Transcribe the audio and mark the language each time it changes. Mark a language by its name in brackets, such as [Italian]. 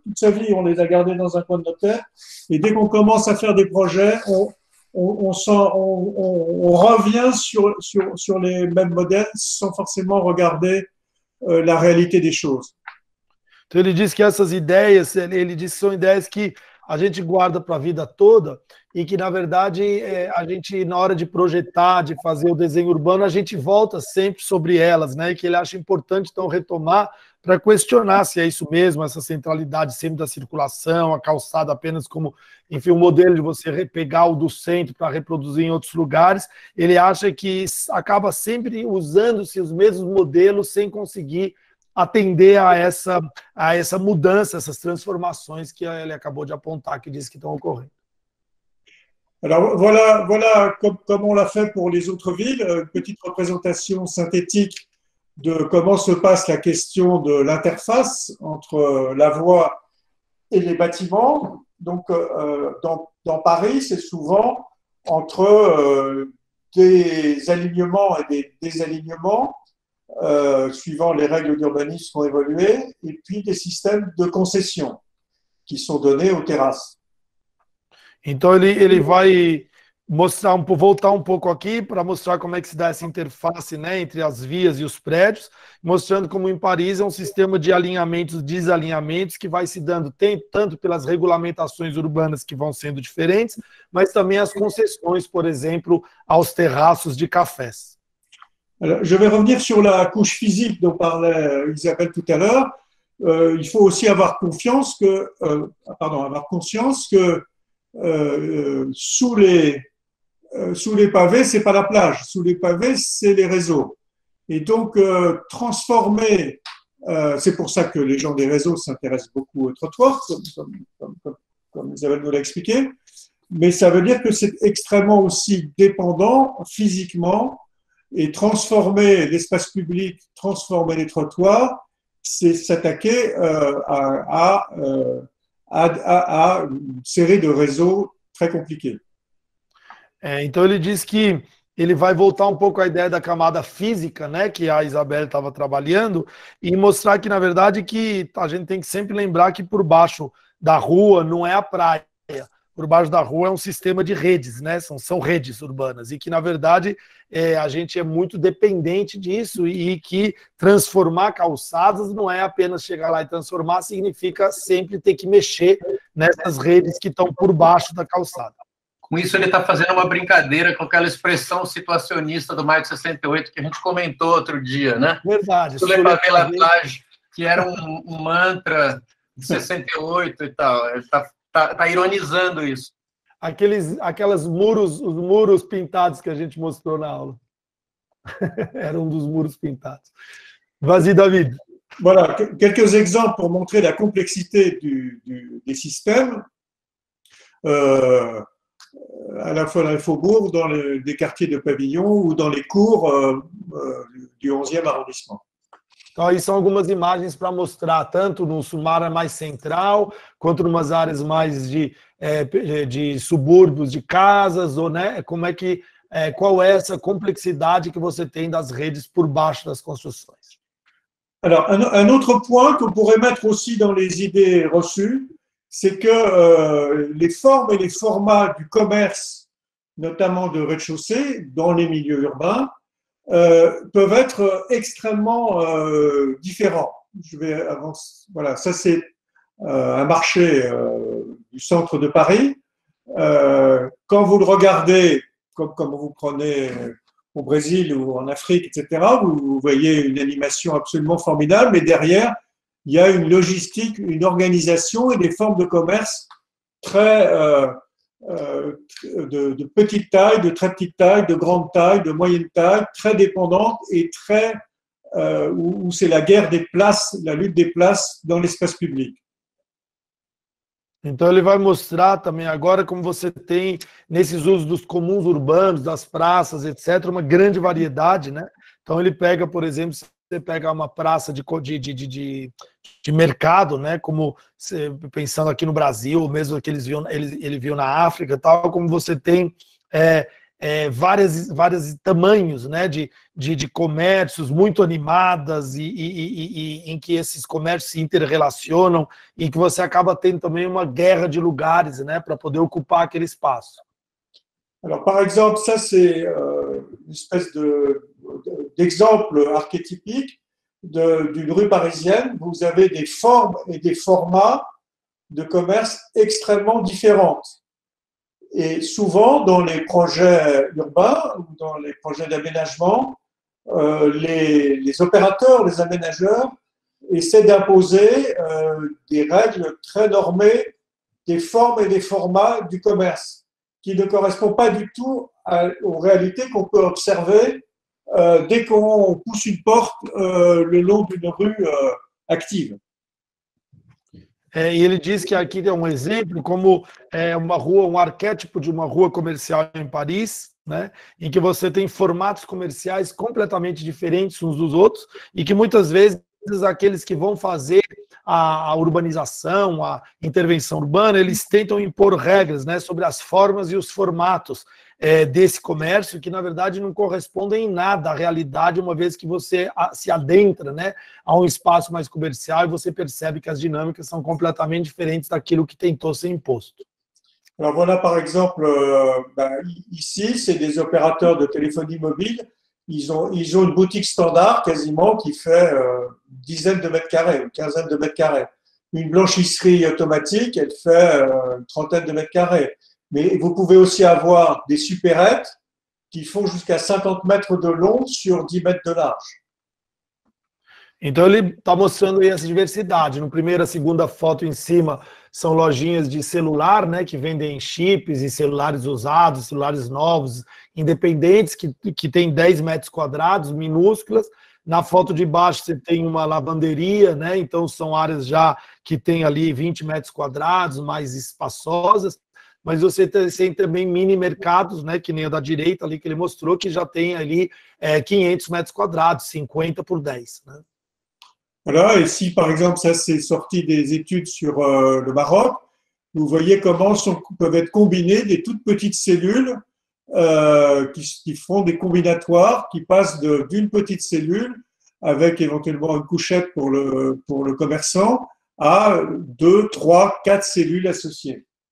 [French] Toute sa vie, on les a gardées dans un coin de notre tête et dès qu'on commence à faire des projets, on revient sur les mêmes modèles sans forcément regarder la réalité des choses. [Portuguese] Então, ele diz que essas ideias, ele diz que são ideias que a gente guarda para a vida toda e que, na verdade, a gente, na hora de projetar, de fazer o desenho urbano, a gente volta sempre sobre elas, né? E que ele acha importante, então, retomar para questionar se é isso mesmo, essa centralidade sempre da circulação, a calçada apenas como, enfim, um modelo de você pegar o do centro para reproduzir em outros lugares. Ele acha que acaba sempre usando-se os mesmos modelos sem conseguir atender a essa mudança, essas transformações que ele acabou de apontar, que disse que estão ocorrendo. [French] Alors voilà, voilà comme on l'a fait pour les autres villes, une petite représentation synthétique de comment se passe la question de l'interface entre la voie et les bâtiments. Donc dans Paris, c'est souvent entre des alignements et des désalignements, suivant les règles d'urbanisme qui ont évolué, et puis des systèmes de concessions qui sont donnés aux terrasses. [Portuguese] Então ele vai mostrar voltar um pouco aqui para mostrar como é que se dá essa interface, né, entre as vias e os prédios, mostrando como em Paris é um sistema de alinhamentos e desalinhamentos que vai se dando tanto pelas regulamentações urbanas que vão sendo diferentes, mas também as concessões, por exemplo, aos terraços de cafés. [French] Alors, je vais revenir sur la couche physique dont parlait Isabelle tout à l'heure. Il faut aussi avoir confiance que, avoir conscience que sous les pavés, c'est pas la plage. Sous les pavés, c'est les réseaux. Et donc transformer, c'est pour ça que les gens des réseaux s'intéressent beaucoup aux trottoirs, comme Isabelle nous l'a expliqué. Mais ça veut dire que c'est extrêmement aussi dépendant physiquement. Et transformer l'espace public, transformer les trottoirs, c'est s'attaquer à une série de réseaux très compliqués. [Portuguese] Então ele diz que ele vai voltar um pouco à ideia da camada física, né, que a Isabel estava trabalhando, e mostrar que, na verdade, que a gente tem que sempre lembrar que por baixo da rua não é a praia. Por baixo da rua é um sistema de redes, né? São redes urbanas, e que, na verdade, a gente é muito dependente disso, e que transformar calçadas não é apenas chegar lá e transformar, significa sempre ter que mexer nessas redes que estão por baixo da calçada. Com isso, ele está fazendo uma brincadeira com aquela expressão situacionista do Maio de 68, que a gente comentou outro dia, né? Verdade. Sobre a favelagem, que era um mantra de 68 e tal, ele está ironizando isso. Aquelas muros, os muros pintados que a gente mostrou na aula. Era um dos muros pintados. [French] Vas-y, David. Voilà, quelques exemples pour montrer la complexité des systèmes. À la fois dans les faubourgs, dans des quartiers de pavillons ou dans les cours du 11e arrondissement. [Portuguese] Então, aí são algumas imagens para mostrar, tanto no Sumara mais central, quanto em umas áreas mais de subúrbios, de casas, ou, né, como é que, qual é essa complexidade que você tem das redes por baixo das construções. [French] Alors, un autre point que pourrait mettre aussi dans les idées reçues, c'est que les formes et les formats du commerce, notamment de rez-de-chaussée, dans les milieux urbains, peuvent être extrêmement différents. Je vais avancer. Voilà, ça c'est un marché du centre de Paris. Quand vous le regardez, comme vous prenez au Brésil ou en Afrique, etc., vous voyez une animation absolument formidable, mais derrière, il y a une logistique, une organisation et des formes de commerce très de petite taille, de très petite taille, de grande taille, de moyenne taille, très dépendante et très où c'est la guerre des places, la lutte des places dans l'espace public. [Portuguese] Então ele vai mostrar também agora como você tem nesses usos dos comuns urbanos, das praças, etc., uma grande variedade, né? Então ele pega, por exemplo, você pega uma praça de mercado, né? Como você, pensando aqui no Brasil, mesmo que ele viu na África, tal, como você tem várias tamanhos, né? De comércios muito animadas e em que esses comércios se interrelacionam e que você acaba tendo também uma guerra de lugares, né? Para poder ocupar aquele espaço. [French] Alors, par exemple, ça c'est une espèce d'exemple archétypique d'une rue parisienne. Vous avez des formes et des formats de commerce extrêmement différentes. Et souvent, dans les projets urbains ou dans les projets d'aménagement, les opérateurs, les aménageurs, essaient d'imposer des règles très normées, des formes et des formats du commerce, qui ne correspondent pas du tout aux réalités qu'on peut observer dès qu'on pousse une porte le long d'une rue active. [Portuguese] É, e ele diz que aqui é um exemplo como é uma rua, um arquétipo de uma rua comercial em Paris, né, em que você tem formatos comerciais completamente diferentes uns dos outros e que muitas vezes aqueles que vão fazer a urbanização, a intervenção urbana, eles tentam impor regras, né, sobre as formas e os formatos desse comércio que, na verdade, não correspondem em nada à realidade, uma vez que você se adentra, né, a um espaço mais comercial e você percebe que as dinâmicas são completamente diferentes daquilo que tentou ser imposto. [French] Alors voilà, par exemple, ici, c'est des opérateurs de téléphonie mobile, ils ont une boutique standard quasiment qui fait dizaines de mètres carrés, une quinzaine de mètres carrés. Une blanchisserie automatique, elle fait une trentaine de mètres carrés. Mais vous pouvez aussi avoir des supérettes qui font jusqu'à 50 mètres de long sur 10 mètres de large. [Portuguese] Então ele está mostrando aí essa diversidade. Na primeira, segunda foto em cima são lojinhas de celular, né, que vendem chips e celulares usados, celulares novos, independentes, que tem 10 metros quadrados, minúsculas. Na foto de baixo você tem uma lavanderia, né, então são áreas já que tem ali 20 metros quadrados, mais espaçosas. Mas você tem também mini mercados, né, que nem o da direita ali que ele mostrou, que já tem ali 500 metros quadrados, 50 por 10, né. [French] Voilà, et si par exemple, ça c'est sorti des études sur le Maroc, vous voyez comment peuvent être combinées des toutes petites cellules qui font des combinatoires qui passent d'une petite cellule avec éventuellement une couchette pour le commerçant à 2, 3, 4 cellules associées.